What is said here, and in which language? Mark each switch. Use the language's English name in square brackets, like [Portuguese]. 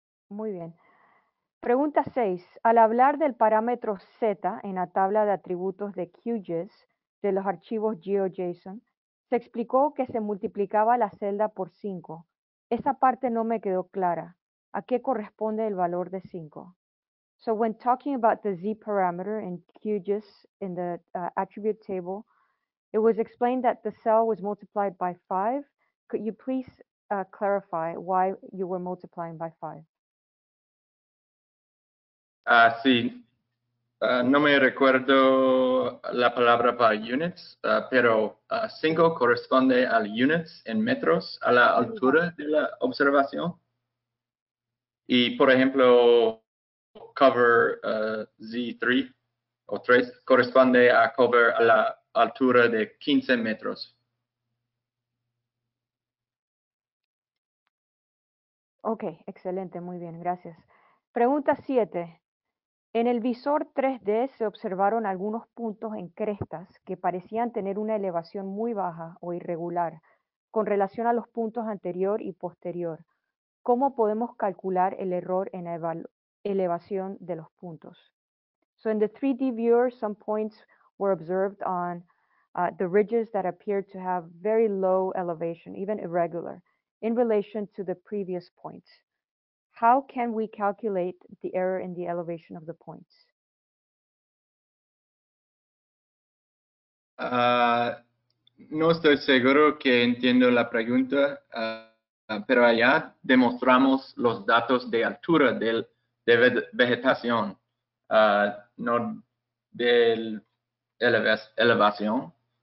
[Spanish] Muy bien. Pregunta 6. Al hablar del parámetro Z en la tabla de atributos de QGIS de los archivos GeoJSON, se explicó que se multiplicaba la celda por 5. Esa parte no me quedó clara. ¿A qué corresponde el valor de 5? [English] So when talking about the Z parameter in QGIS in the attribute table, it was explained that the cell was multiplied by 5. Could you please clarify why you were multiplying by 5? [Spanish] Sí, no me recuerdo la palabra para units, pero 5 corresponde al units en metros, a la altura de la observación. Y, por ejemplo, cover Z3 o 3 corresponde a cover a la altura de 15 metros. Ok, excelente, muy bien, gracias. Pregunta 7. En el visor 3D se observaron algunos puntos en crestas que parecían tener una elevación muy baja o irregular con relación a los puntos anterior y posterior. ¿Cómo podemos calcular el error en la elevación de los puntos? [English] So in the 3D viewer, some points were observed on the ridges that appeared to have very low elevation, even irregular, in relation to the previous points. How can we calculate the error in the elevation of the points? [Spanish] No estoy seguro que entiendo la pregunta, pero allá demostramos los datos de altura de vegetación, no de elevación.